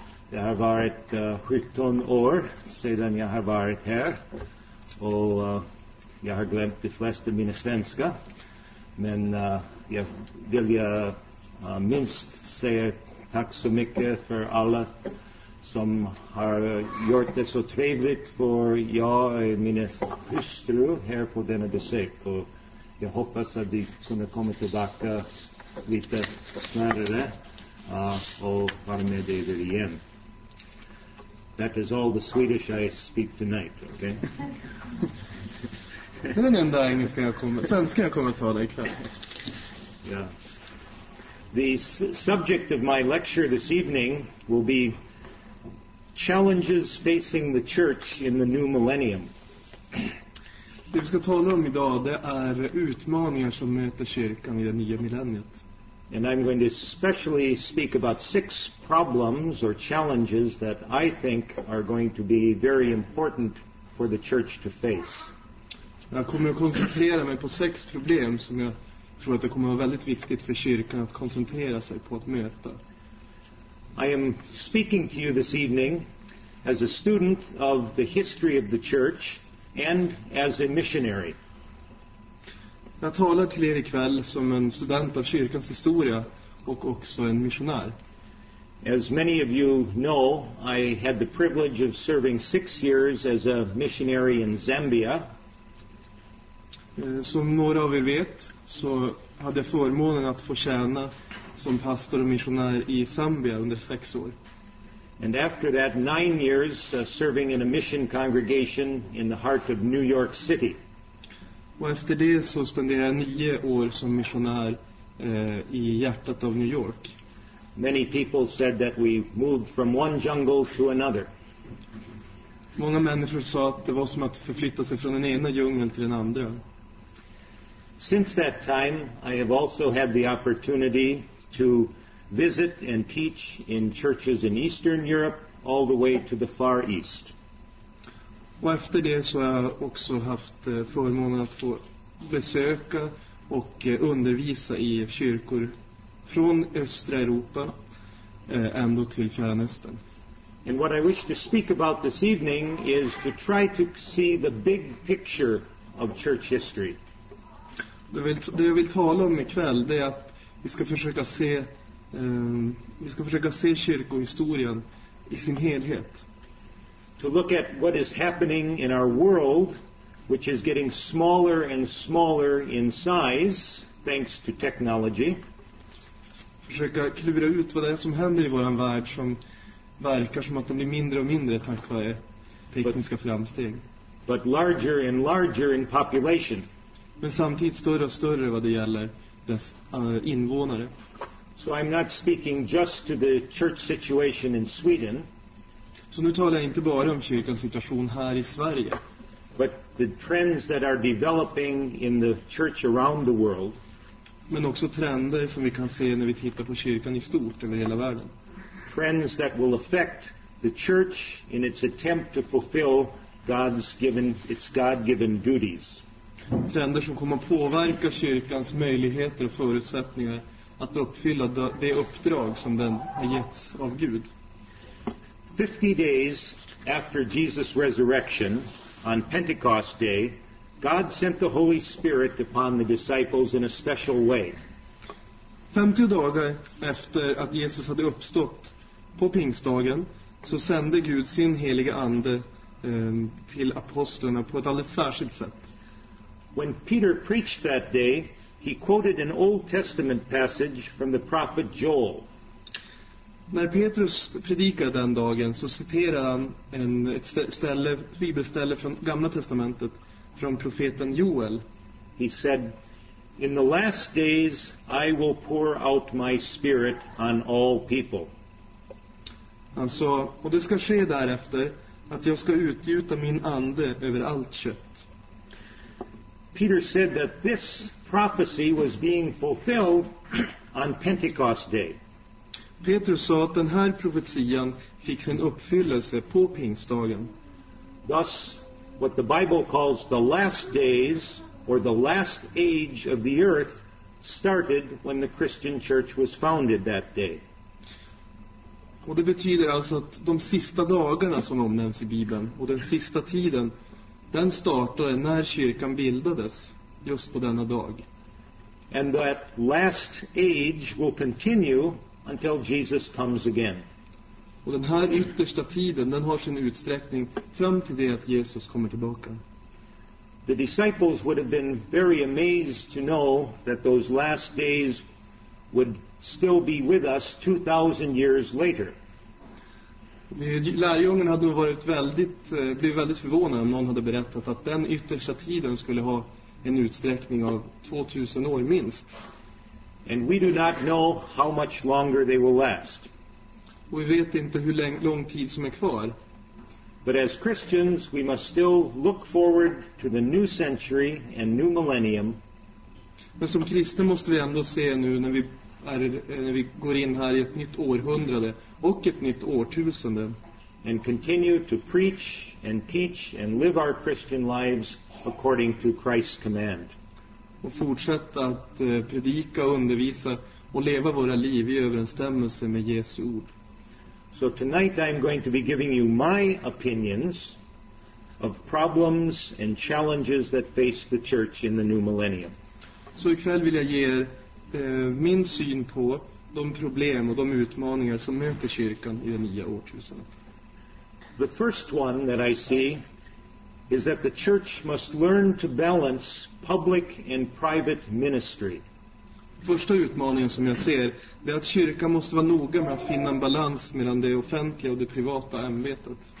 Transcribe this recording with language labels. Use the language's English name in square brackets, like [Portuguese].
[Swedish] Det har varit 17 år sedan jag har varit här och jag har glömt de flesta mina svenska, men jag vill minst säga tack så mycket för alla som har gjort det så trevligt för jag och min hustru här på denna besök. Och jag hoppas att vi kunde komma tillbaka lite snarare och vara med dig där igen. [English] That is all the Swedish I speak tonight, okay? [Swedish] Det är den enda engelska jag kommer, svenska jag kommer att tala ikväll. [English] Yeah. The subject of my lecture this evening will be challenges facing the church in the new millennium. [Swedish] Det vi ska tala om idag, det är utmaningar som möter kyrkan i det nya millenniet. [English] And I'm going to specially speak about six problems or challenges that I think are going to be very important for the church to face. [Swedish] Jag kommer att koncentrera mig på sex problem som jag tror att det kommer att vara väldigt viktigt för kyrkan att koncentrera sig på att möta. [English] I am speaking to you this evening as a student of the history of the church and as a missionary. [Swedish] Jag talar till er ikväll som en student av kyrkans historia och också en missionär. [English] As many of you know, I had the privilege of serving 6 years as a missionary in Zambia. [Swedish] Som några av er vet så hade jag förmånen att få tjäna som pastor och missionär i Zambia under 6 år. [English] And after that 9 years serving in a mission congregation in the heart of New York City. [Swedish] Och efter det så spenderade jag 9 år som missionär i hjärtat av New York. [English] Many people said that we moved from one jungle to another. [Swedish] Många människor sa att det var som att förflytta sig från den ena djungeln till den andra. [English] Since that time I have also had the opportunity to visit and teach in churches in Eastern Europe all the way to the Far East. [Swedish] Och efter det så har jag också haft förmånen att få besöka och undervisa i kyrkor från östra Europa ändå till Fjärranöstern. [English] And what I wish to speak about this evening is to try to see the big picture of church history. [Swedish] Det jag vill tala om ikväll, det är att vi ska försöka se kyrkohistorien i sin helhet. [English] To look at what is happening in our world, which is getting smaller and smaller in size, thanks to technology. [Swedish] Försöka klura ut vad det är som händer i våran värld som verkar som att den blir mindre och mindre tack vare tekniska framsteg. [English] But larger and larger in population. [Swedish] Men samtidigt större och större vad det gäller dess invånare. [English] So I'm not speaking just to the church situation in Sweden. [Swedish] Så nu talar jag inte bara om kyrkans situation här i Sverige. [English] But the trends that are developing in the church around the world. [Swedish] Men också trender som vi kan se när vi tittar på kyrkan i stort över hela världen. [English] Trends that will affect the church in its attempt to fulfill God-given duties. [Swedish] Trender som kommer att påverka kyrkans möjligheter och förutsättningar att uppfylla det uppdrag som den har getts av Gud. [English] 50 days after Jesus' resurrection on Pentecost day, God sent the Holy Spirit upon the disciples in a special way. [Swedish] 50 dagar efter att Jesus hade uppstått på pingstdagen så sände Gud sin helige ande till apostlarna på ett alldeles särskilt sätt. [English] When Peter preached that day, he quoted an Old Testament passage from the prophet Joel. [Swedish] När Petrus predikade den dagen så citerade han ett bibelställe från Gamla testamentet från profeten Joel. [English] He said, "In the last days I will pour out my spirit on all people." [Swedish] Han sa, och det ska ske därefter att jag ska utgjuta min ande över allt kött. [English] Peter said that this prophecy was being fulfilled on Pentecost day. [Swedish] Petrus sa att den här profetian fick sin uppfyllelse på pingstdagen. [English] Thus, what the Bible calls the last days or the last age of the earth started when the Christian church was founded that day. [Swedish] Och det betyder alltså att de sista dagarna som omnämns i Bibeln och den sista tiden, den startade när kyrkan bildades just på denna dag. [English] And that last age will continue until Jesus comes again. [Swedish] Och den här yttersta tiden, den har sin utsträckning fram till det att Jesus kommer tillbaka. [English] The disciples would have been very amazed to know that those last days would still be with us 2000 years later. [Swedish] Lärjungarna hade varit blivit väldigt förvånade om någon hade berättat att den yttersta tiden skulle ha en utsträckning av 2000 år minst. [English] And we do not know how much longer they will last. [Swedish] Och vi vet inte hur lång tid som är kvar. [English] But as Christians, we must still look forward to the new century and new millennium. [Swedish] Men som kristna måste vi ändå se nu när vi är, när vi går in här i ett nytt århundrade och ett nytt årtusende. [English] And continue to preach and teach and live our Christian lives according to Christ's command. [Swedish] Och fortsätta att predika och undervisa och leva våra liv i överensstämmelse med Jesu ord. [English] So tonight I'm going to be giving you my opinions of problems and challenges that face the church in the new millennium. [Swedish] Så ikväll vill jag ge er min syn på de problem och de utmaningar som möter kyrkan i det nya årtusendet. [English] The first one that I see is that the church must learn to balance public and private ministry. [Swedish] Första utmaningen som jag ser är att kyrkan måste vara noga med att finna en balans mellan det offentliga och det privata ämbetet.